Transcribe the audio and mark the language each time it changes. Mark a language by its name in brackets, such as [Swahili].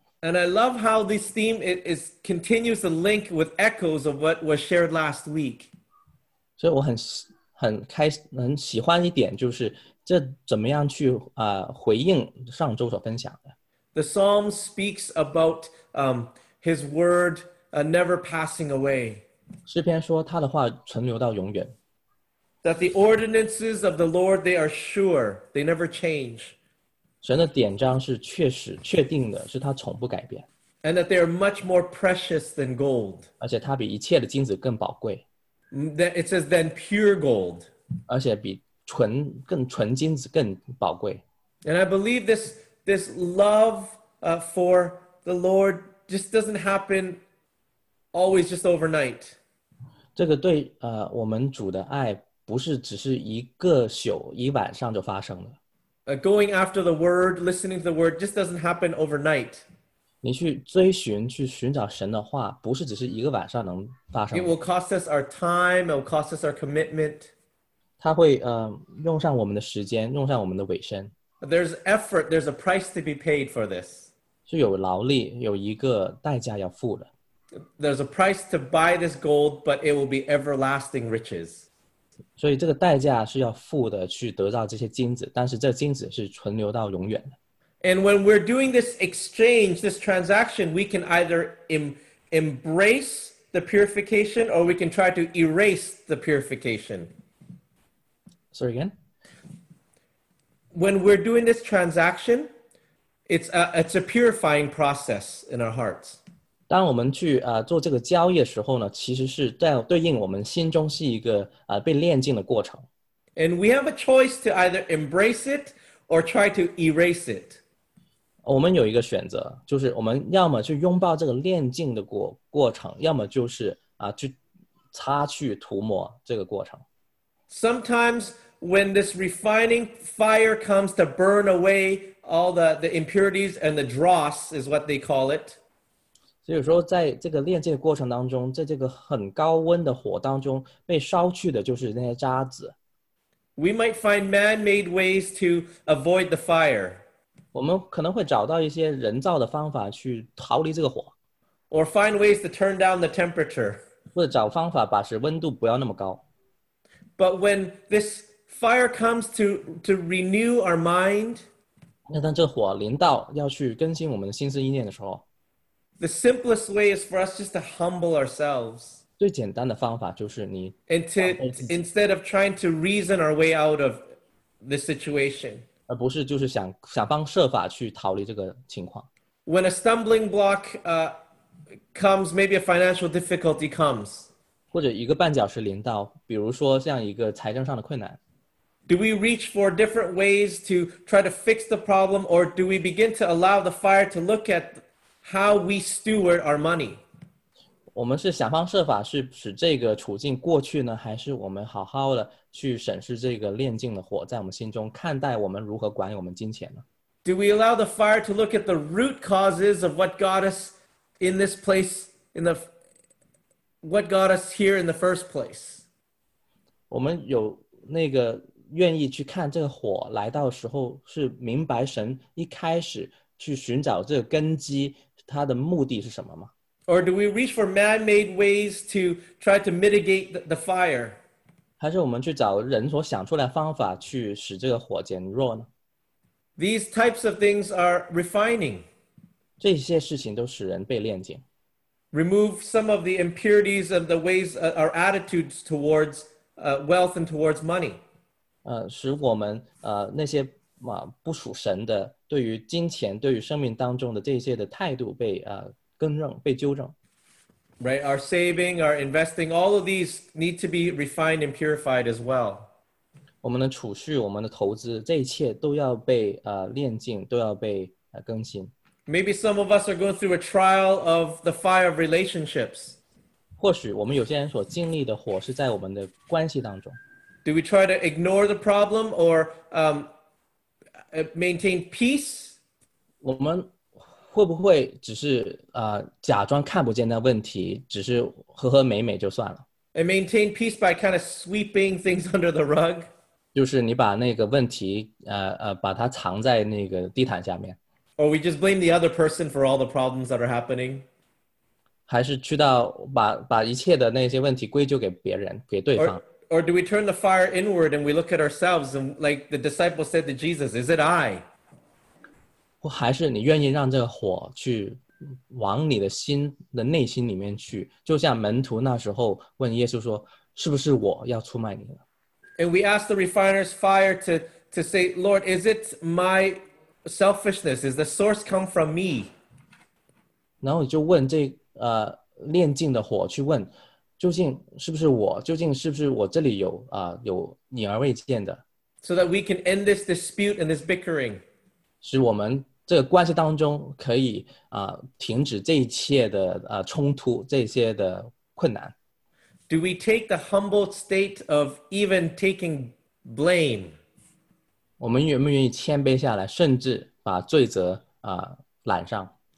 [English] And I love how this theme is continues to link with echoes of what was shared last week. [Chinese] 所以我很喜欢一点，就是这怎么样去回应上周所分享的。 [English] The psalm speaks about his word never passing away. [Chinese] 诗篇说他的话存留到永远。 [English] That the ordinances of the Lord, they are sure, they never change. [Chinese] 神的典章是确实确定的，是他从不改变。 [English] And that they are much more precious than gold. [Chinese] 而且他比一切的金子更宝贵。 [English] That it says than pure gold. [Chinese] 而且比更纯金子更宝贵。 [English] And I believe this love for the Lord just doesn't happen always just overnight. [Chinese] 这个对我们主的爱不是只是一个宿一晚上就发生了。 [English] Going after the word, listening to the word, just doesn't happen overnight. [Chinese] 你去追寻去寻找神的话不是只是一个晚上能发生。 [English] It will cost us our time, it will cost us our commitment. [Chinese] 它会用上我们的时间，用上我们的尾声。 [English] There's effort, there's a price to be paid for this. [Chinese] 是有劳力，有一个代价要付的。 [English] There's a price to buy this gold, but it will be everlasting riches. [Chinese] 所以这个代价是要付的，去得到这些金子，但是这金子是存留到永远的。 [English] And when we're doing this exchange, this transaction, we can either embrace the purification or we can try to erase the purification. Sorry again? When we're doing this transaction, it's a purifying process in our hearts. [Chinese] 当我们去做这个交易的时候呢，其实是在对应我们心中是一个被炼净的过程。 [English] And we have a choice to either embrace it or try to erase it. [Chinese] 我们有一个选择，就是我们要么去拥抱这个炼净的过程，要么就是去擦去涂抹这个过程。 [English] Sometimes when this refining fire comes to burn away all the impurities and the dross is what they call it. [Chinese] 所以说在这个炼净的过程当中，在这个很高温的火当中被烧去的就是那些渣子。 [English] We might find man-made ways to avoid the fire. [Chinese] 我们可能会找到一些人造的方法去逃离这个火。 [English] Or find ways to turn down the temperature. [Chinese] 或者找方法把使温度不要那么高。 [English] But when this fire comes to renew our mind, [Chinese] 那当这火临到要去更新我们的心思意念的时候， [English] The simplest way is for us just to humble ourselves. [Chinese] 最简单的方法就是你 [English] And instead of trying to reason our way out of this situation. [Chinese] 而不是就是想方设法去逃离这个情况。 [English] When a stumbling block comes, maybe a financial difficulty comes. [Chinese] 或者一个绊脚石临到，比如说像一个财政上的困难。 [English] Do we reach for different ways to try to fix the problem, or do we begin to allow the fire to look at how we steward our money? [Chinese] 我们是想方设法去使这个处境过去呢，还是我们好好的去审视这个炼净的火在我们心中，看待我们如何管理我们金钱呢？ [English] Do we allow the fire to look at the root causes of what got us in this place, in the what got us here in the first place? [Chinese] 我们有那个愿意去看这个火来到时候是明白神一开始去寻找这个根基它的目的是什么吗？ [English] Or do we reach for man-made ways to try to mitigate the fire? [Chinese] 还是我们去找人所想出来的方法去使这个火减弱呢？ [English] These types of things are refining. [Chinese] 这些事情都使人被炼净。 [English] Remove some of the impurities of the ways, our attitudes towards wealth and towards money. [Chinese] 使我们那些不属神的对于金钱对于生命当中的这些的态度被更正被纠正。 [English] Right, our saving, our investing, all of these need to be refined and purified as well. [Chinese] 我们的储蓄我们的投资这一切都要被炼净都要被更新。 [English] Maybe some of us are going through a trial of the fire of relationships. [Chinese] 或许我们有些人所经历的火是在我们的关系当中。 [English] Do we try to ignore the problem or maintain peace? [Chinese] 我们会不会只是假装看不见的问题只是和和美美就算了。 [English] And maintain peace by kind of sweeping things under the rug. [Chinese] 就是你把那个问题把它藏在那个地毯下面。 [English] Or we just blame the other person for all the problems that are happening. [Chinese] 还是去到把一切的那些问题归咎给别人给对方。 [English] Or do we turn the fire inward and we look at ourselves and like the disciples said to Jesus, is it I? [Chinese] 还是你愿意让这个火去往你的心的内心里面去就像门徒那时候问耶稣说是不是我要出卖你了 [English] And we ask the refiner's fire to say, Lord, is it my selfishness? Is the source come from me? [Chinese] 然后你就问这炼净的火去问究竟是不是我究竟是不是我这里有隐而未见的 [English] So that we can end this dispute and this bickering. [Chinese] 使我们这个关系当中可以停止这一切的冲突这些的困难。 [English] Do we take the humble state of even taking blame? [Chinese] 我们愿不愿意谦卑下来甚至把罪责揽上。